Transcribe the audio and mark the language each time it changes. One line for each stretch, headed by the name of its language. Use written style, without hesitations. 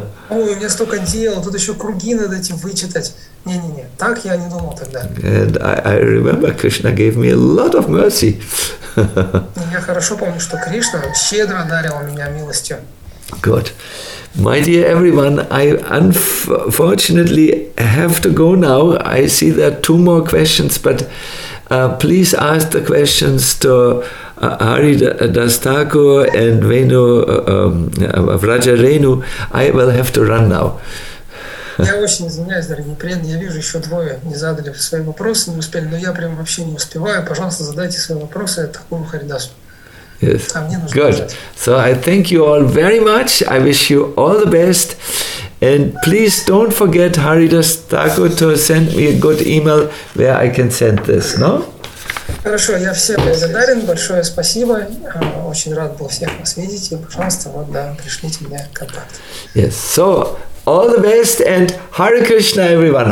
Russian: Ой, у меня столько дел, тут еще круги надо этим вычитать. Не-не-не, так я не думал тогда.
English: And I remember Krishna gave me a lot of mercy.
Russian: Я хорошо помню, что Кришна щедро одарила меня милостью.
English: Good. My dear everyone, I unfortunately have to go now. I see there are two more questions, but please ask the questions to Hari Das Thakur and Venu, Vraja Renu. I will have to run now.
Russian: Я очень извиняюсь, дорогие преданные. Я вижу, еще двое не задали свои вопросы, не успели, но я прям вообще не успеваю. Пожалуйста, задайте свои вопросы такому Харидасу.
English: Yes.
Russian: А мне нужно
English: Good.
Russian: Задать.
English: So I thank you all very much. I wish you all the best. And please don't forget Haridas Thakur to send me a good email where I can send this, no?
Russian: Хорошо, я всем благодарен, большое спасибо. Очень рад был всех вас видеть. И, пожалуйста, вот, да, пришлите мне контакт.
English: Yes, so all the best and Hare Krishna, everyone.